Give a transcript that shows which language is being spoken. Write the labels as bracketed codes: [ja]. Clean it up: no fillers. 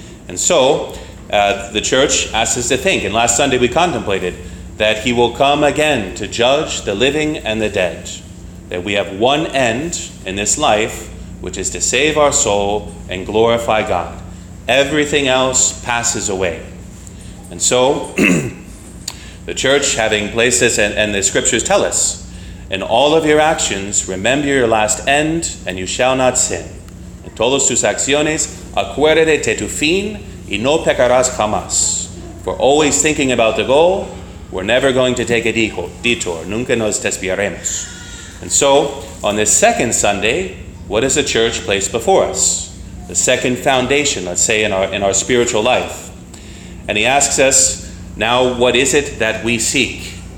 [en] And so, the Church asks us to think, and last Sunday we contemplated, that he will come again to judge the living and the dead, that we have one end in this life, which is to save our soul and glorify God. Everything else passes away. And so, the Church, having placed this, and the Scriptures tell us, in all of your actions, remember your last end, and you shall not sin. [es] En todas tus acciones, acuérdate de tu fin, y no pecarás jamás. [en] For always thinking about the goal, we're never going to take a detour. Nunca nos desviaremos. And so, on this second Sunday, what does the Church place before us? The second foundation, let's say, in our spiritual life. And he asks us, now, what is it that we seek?